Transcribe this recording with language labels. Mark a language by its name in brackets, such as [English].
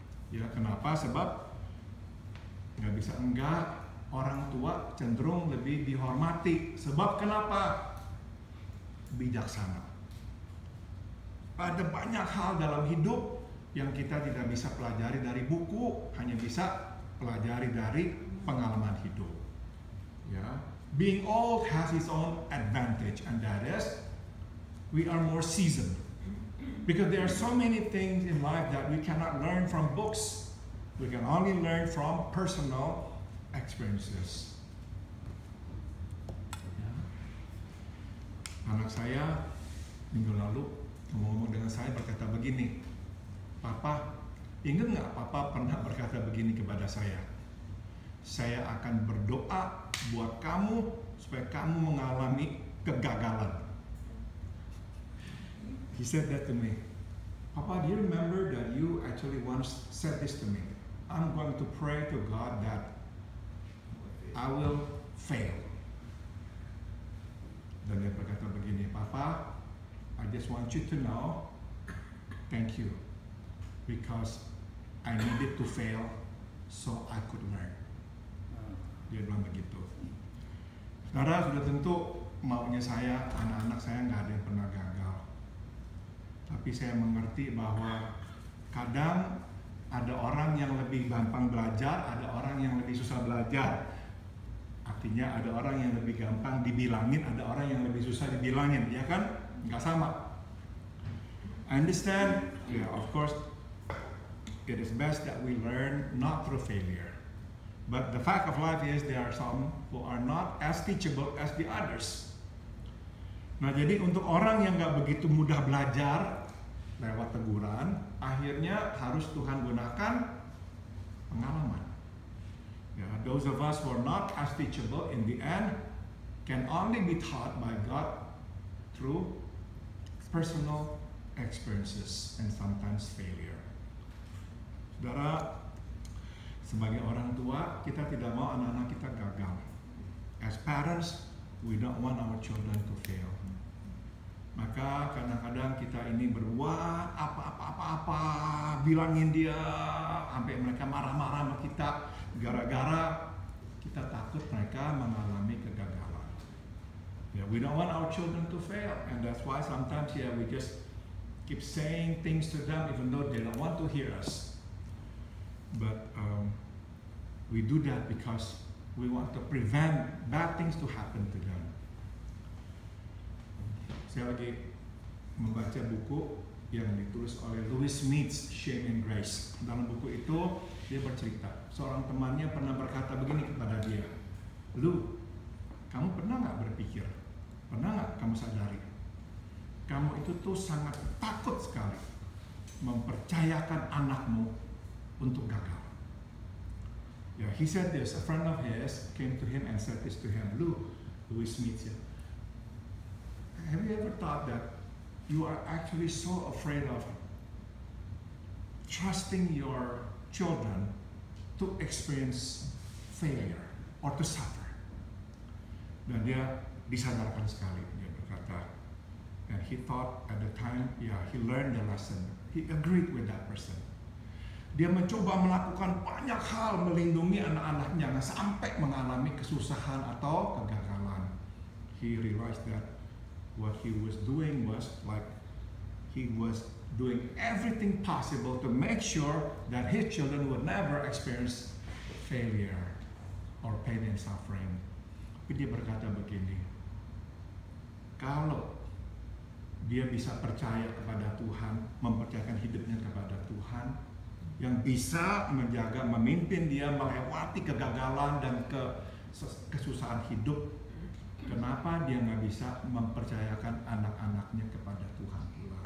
[Indonesian] Ya, kenapa? Sebab nggak bisa enggak, orang tua cenderung lebih dihormati. Sebab kenapa? Bijaksana, ada banyak hal dalam hidup yang kita tidak bisa pelajari dari buku, hanya bisa pelajari dari pengalaman hidup. [English] Ya, being old has its own advantage, and that is we are more seasoned. Because there are so many things in life that we cannot learn from books. We can only learn from personal experiences. [Indonesian] Anak saya minggu lalu ngomong dengan saya berkata begini, "Papa, ingat gak Papa pernah berkata begini kepada saya? Saya akan berdoa buat kamu supaya kamu mengalami kegagalan." [English] He said that to me, "Papa, do you remember that you actually once said this to me? I'm going to pray to God that I will fail." [Indonesian] Dan dia berkata begini, [English] "Papa, I just want you to know, thank you, because I needed to fail so I could learn." [Indonesian] Dia bilang begitu. Saudara, sudah tentu maunya saya, anak-anak saya gak ada yang pernah gagal. Tapi saya mengerti bahwa kadang ada orang yang lebih gampang belajar, ada orang yang lebih susah belajar. Artinya ada orang yang lebih gampang dibilangin, ada orang yang lebih susah dibilangin, ya kan? Enggak sama. [English] I understand, yeah, of course, it is best that we learn not through failure. But the fact of life is there are some who are not as teachable as the others. [Indonesian] Nah, jadi untuk orang yang enggak begitu mudah belajar lewat teguran, akhirnya harus Tuhan gunakan pengalaman. [English] Yeah, those of us who are not as teachable in the end can only be taught by God through personal experiences and sometimes failure. [Indonesian] Saudara, sebagai orang tua, kita tidak mau anak-anak kita gagal. [English] As parents, we don't want our children to fail. [Indonesian] Maka kadang-kadang kita ini berbuat apa-apa-apa-apa, bilangin dia, sampai mereka marah-marah sama kita. Gara-gara kita takut mereka mengalami kegagalan. [English] Yeah, we don't want our children to fail, and that's why sometimes, yeah, we just keep saying things to them even though they don't want to hear us. But we do that because we want to prevent bad things to happen to them. [Indonesian] Saya lagi membaca buku yang ditulis oleh Louis Meads, Shame and Grace. Dalam buku itu dia bercerita, seorang temannya pernah berkata begini kepada dia, "Lu, kamu pernah gak berpikir, pernah gak kamu sadari, kamu itu tuh sangat takut sekali mempercayakan anakmu untuk gagal." [English] Yeah, he said this, a friend of his came to him and said this to him, "Lu," Louis Meads, "have you ever thought that you are actually so afraid of trusting your children to experience failure or to suffer?" [Indonesian] Dan dia disadarkan sekali, dia berkata, [English] and he thought at the time, yeah, he learned the lesson. He agreed with that person. [Indonesian] Dia mencoba melakukan banyak hal melindungi anak-anaknya nggak sampai mengalami kesusahan atau kegagalan. [English] He realized that what he was doing was like he was doing everything possible to make sure that his children would never experience failure or pain and suffering. [Indonesian] Tapi dia berkata begini, kalau dia bisa percaya kepada Tuhan, mempercayakan hidupnya kepada Tuhan yang bisa menjaga, memimpin dia melewati kegagalan dan kesusahan hidup, kenapa dia gak bisa mempercayakan anak-anaknya kepada Tuhan?